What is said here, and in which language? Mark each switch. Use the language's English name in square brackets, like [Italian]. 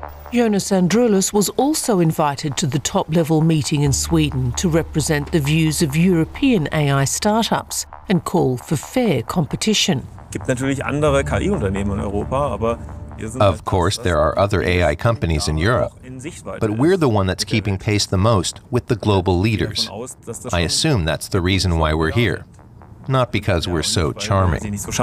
[English] Jonas Andrulis was also invited to the top-level meeting in Sweden to represent the views of European AI startups and call for fair competition. [German] gibt natürlich andere KI-Unternehmen in Europa, aber [English] of course, there are other AI companies in Europe, but we're the one that's keeping pace the most with the global leaders. I assume that's the reason why we're here, not because we're so charming.